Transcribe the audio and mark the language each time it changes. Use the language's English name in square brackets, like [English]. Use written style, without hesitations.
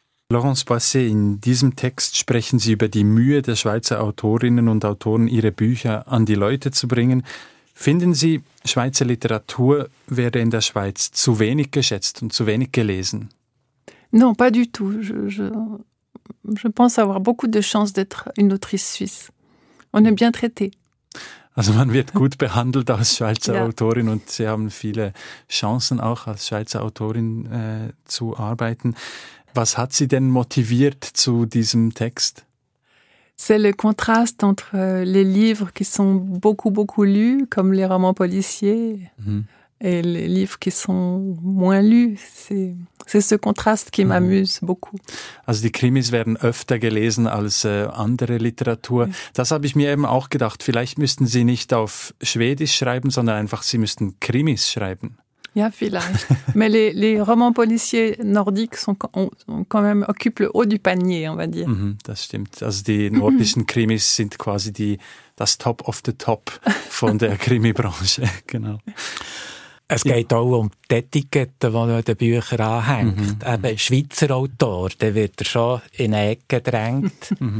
[German] Laurence Boissier, in diesem Text sprechen Sie über die Mühe der Schweizer Autorinnen und Autoren, ihre Bücher an die Leute zu bringen. Finden Sie, Schweizer Literatur werde in der Schweiz zu wenig geschätzt und zu wenig gelesen? [French] Non, pas du tout. Je pense avoir beaucoup de chance d'être une autrice suisse. On est bien traité. [German] Also man wird gut behandelt als Schweizer ja. Autorin und Sie haben viele Chancen auch als Schweizer Autorin zu arbeiten. Was hat Sie denn motiviert zu diesem Text? [French] C'est le contraste entre les livres qui sont beaucoup beaucoup lus, comme les romans policiers, et les livres qui sont moins lus. C'est ce contraste qui m'amuse beaucoup. [German] Also die Krimis werden öfter gelesen als andere Literatur. Das habe ich mir eben auch gedacht. Vielleicht müssten Sie nicht auf Schwedisch schreiben, sondern einfach Sie müssten Krimis schreiben. Ja, vielleicht. [French] Mais les romans policiers nordiques sont quand même occupent le haut du panier, on va dire. [German] Mm-hmm, das stimmt. Also die nordischen Krimis sind quasi das Top of the Top von der Krimi-Branche. Genau. Es geht auch um die Etikette, die man den Büchern anhängt. Eben Schweizer Autor, der wird schon in eine Ecke gedrängt.